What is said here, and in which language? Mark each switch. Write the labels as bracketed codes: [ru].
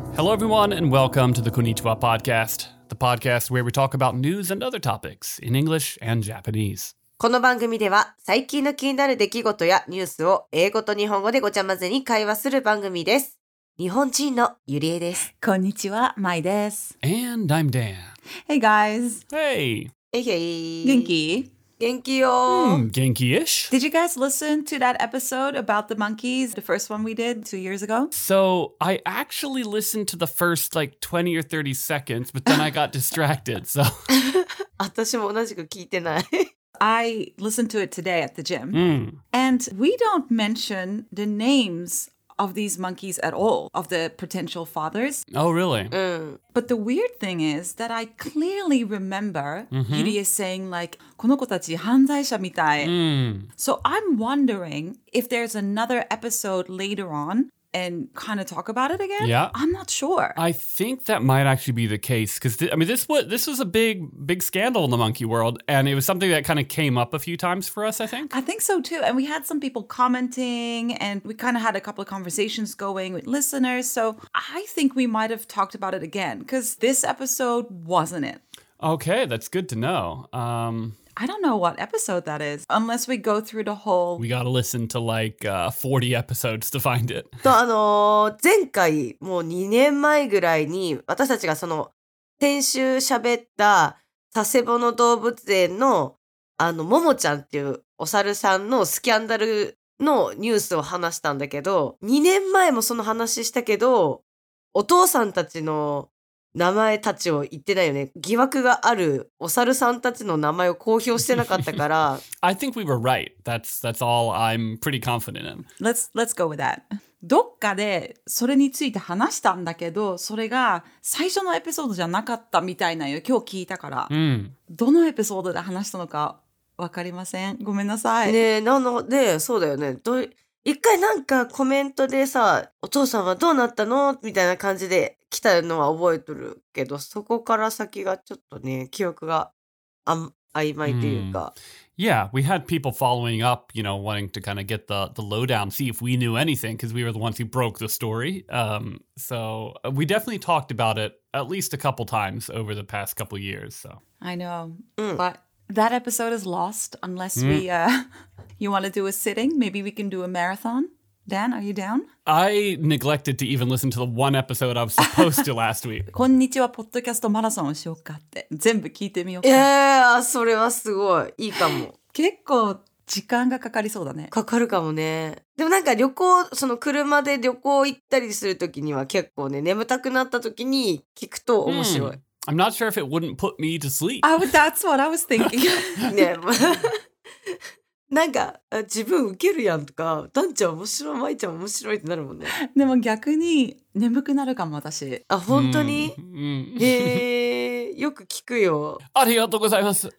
[en] Hello, everyone, and welcome to the Konnichiwa Podcast, the podcast where we talk about news and other topics in English and Japanese. [ja] この番組では最近の気になる出来事やニュースを英語と日本語でごちゃ混ぜに会話する番組です。日本人のゆりえです。こんにちは、まいです。 [en] And I'm Dan. Hey guys. Hey. Hey, hey. [ja] 元気？元気よ。元気-ish. [en] Did you guys listen to that episode about the monkeys, the first one we did 2 years ago? So I actually listened to the first like 20 or 30 seconds, but then I got distracted, so. [ja] 私も同じく聞いてない。 [en] I listened to it today at the gym. Mm. And we don't mention the names of these monkeys at all, of the potential fathers. Oh, really? Mm. But the weird thing is that I clearly remember Yuri is saying like, [ja] この子たち犯罪者みたい。 Mm. [en] So I'm wondering if there's another episode later on and kind of talk about it again? Yeah. I'm not sure. I think that might actually be the case. Because, this was a big, big scandal in the monkey world. And it was something that kind of came up a few times for us, I think. I think so, too. And we had some people commenting. And we kind of had a couple of conversations going with listeners. So I think we might have talked about it again. Because this episode wasn't it. Okay, that's good to know. I don't know what episode that is, unless we go through the whole... We gotta listen to like 40 episodes to find it. [ja] 前回、もう2年前ぐらいに、私たちがその先週喋った佐世保の動物園の、あの、ももちゃんっていうお猿さんのスキャンダルのニュースを話したんだけど、2年前もその話したけど、お父さんたちの名前たちを言ってないよね。疑惑があるお猿さんたちの名前を公表してなかったから。 [en] I think we were right. That's all I'm pretty confident in. Let's go with that. [ja] どっかでそれについて話したんだけど、それが最初のエピソードじゃなかったみたいなよ。今日聞いたから。 Mm. どのエピソードで話したのかわかりません。ごめんなさい。ねえ、なので、そうだよね。一回なんかコメントでさ、お父さんはどうなったのみたいな感じで来たのは覚えてるけど、そこから先がちょっとね、記憶が曖昧というか。 Mm. [en] Yeah, we had people following up, you know, wanting to kind of get the lowdown, see if we knew anything, because we were the ones who broke the story. So we definitely talked about it at least a couple times over the past couple years. So. I know, but that episode is lost unless we... You want to do a sitting? Maybe we can do a marathon. Dan, are you down? I neglected to even listen to the one episode I was supposed to last week. [ja] Konnichiwa Podcast Marathon をしようかって全部聞いてみようか。いやー、それはすごい。いいかも。結構時間がかかりそうだね。かかるかもね。でもなんか旅行、その車で旅行行ったりするときには結構ね、眠たくなったときに聞くと面白い。 [en] I'm not sure if it wouldn't put me to sleep. That's what I was thinking. [ja] ね なんか自分ウケるやんとか、ダンちゃん面白い、マイちゃん面白いってなるもんね。でも逆に眠くなるかも私。あ、本当に？へえ、よく聞くよ。ありがとうございます。